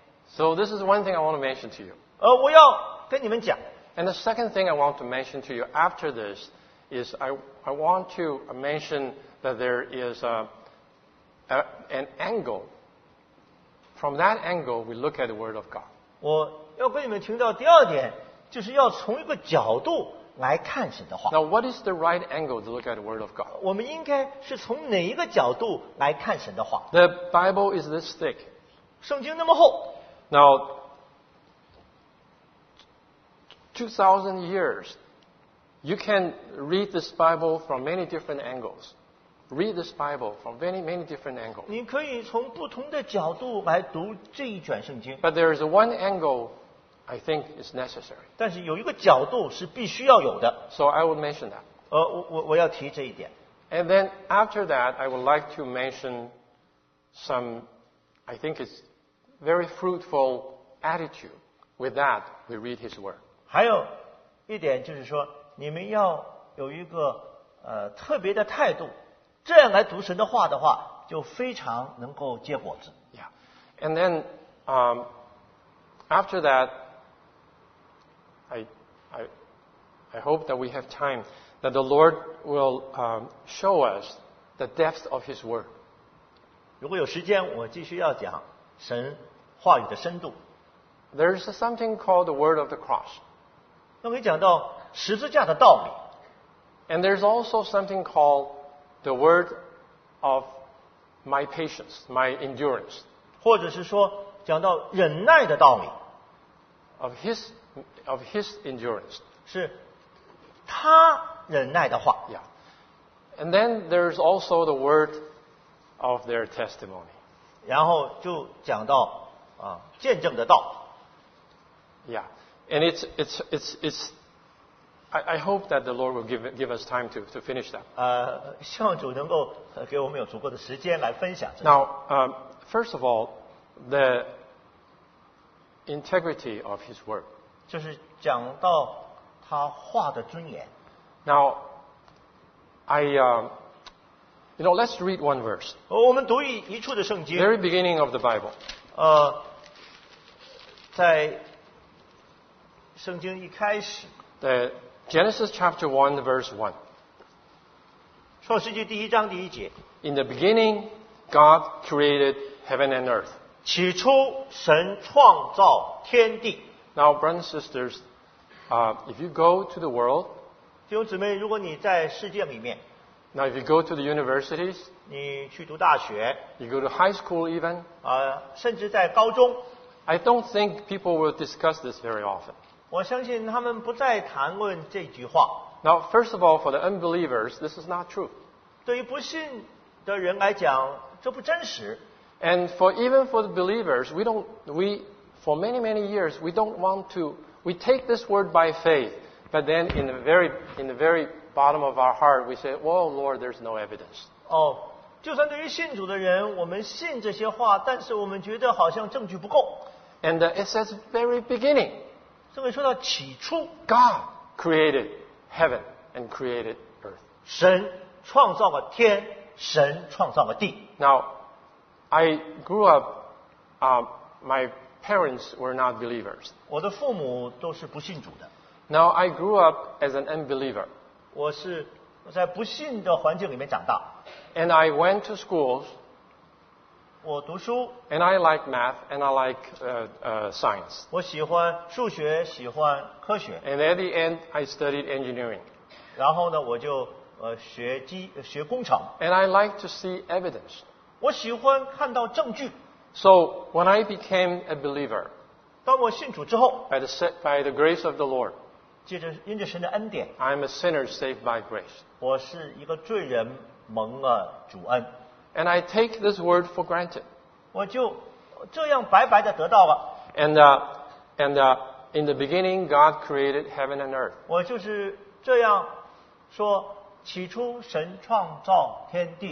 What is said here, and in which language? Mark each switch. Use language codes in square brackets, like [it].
[en] So this is one thing I want to mention to you. [zh] 我要跟你们讲。 [en] And the second thing I want to mention to you after this is I want to mention that there is an angle. From that angle, we look at the word of God. [zh] 我要跟你们强调第二点，就是要从一个角度来看神的话。 [en] Now, what is the right angle to look at the word of God? [zh] 我们应该是从哪一个角度来看神的话？ [en] The Bible is this thick. [zh] 圣经那么厚。 [en] Now, 2,000 years, you can read this Bible from many different angles. Read this Bible from many, many different angles. [zh] 你可以从不同的角度来读这一卷圣经。 [en] But there is one angle I think is necessary. [zh] 但是有一个角度是必须要有的。 [en] So I will mention that. [zh] 我要提这一点。 [en] And then after that, I would like to mention some, I think it's very fruitful attitude. With that, we read his word. [zh] 还有一点就是说，你们要有一个特别的态度，这样来读神的话的话，就非常能够结果子。 Yeah. [en] And then, after that, I hope that we have time that the Lord will show us the depth of His word. [zh] 如果有时间，我继续要讲神话语的深度。 [en] There is something called the word of the cross. [zh] 那我们讲到十字架的道理。 [en] And there is also something called the word of my patience, my endurance. [zh] 或者是说讲到忍耐的道理。 [en] Of his endurance. [zh] 是他忍耐的话。 Yeah. [en] And then there is also the word of their testimony. [zh] 然后就讲到见证的道。 Yeah. [en] And it's I hope that the Lord will give us time to finish that. [zh] 希望主能够给我们有足够的时间来分享。 [en] Now, first of all, the integrity of His word. [zh] 就是讲到他话的尊严。 [en] Now, let's read one verse. [zh] 我们读一处的圣经。 [en] Very beginning of the Bible. [zh] 在圣经一开始。 [en] The Genesis chapter 1, verse 1. [zh] 创世纪第一章第一节。 [en] In the beginning, God created heaven and earth. [zh] 起初神创造天地。 [en] Now, brothers and sisters, if you go to the world, [zh] 弟兄姊妹，如果你在世界里面， [en] Now, if you go to the universities, [zh] 你去读大学， [en] you go to high school even, [zh] 甚至在高中， [en] I don't think people will discuss this very often. [zh] 我相信他们不再谈论这句话。 [en] Now, first of all, for the unbelievers, this is not true. [zh] 对于不信的人来讲，这不真实。 [en] And even for the believers, we take this word by faith, but then in the very bottom of our heart, we say, "Well, Lord, there's no evidence." [zh] 就算对于信主的人，我们信这些话，但是我们觉得好像证据不够。 [en] And it says very beginning. [zh] 这位说到起初 [en] God created heaven and created earth. [zh] 神创造了天，神创造了地。 [en] Now, I grew up, my parents were not believers. [zh] 我的父母都是不信主的。 [en] Now, I grew up as an unbeliever. [zh] 我是在不信的环境里面长大。 [en] And I went to schools. [zh] 我读书。 [en] And I like math and I like science. [zh] 我喜欢数学，喜欢科学。 [en] And at the end, I studied engineering. [zh] 然后呢，我就学工程。 [en] And I like to see evidence. [zh] 我喜欢看到证据。 [en] So when I became a believer, [zh] 当我信主之后， [en] by the grace of the Lord, [zh] 借着因着神的恩典， [en] I'm a sinner saved by grace. [zh] 我是一个罪人，蒙了主恩。 [en] And I take this word for granted. [zh] 我就这样白白的得到了。 [en] And in the beginning, God created heaven and earth. [zh] 我就是这样说，起初神创造天地。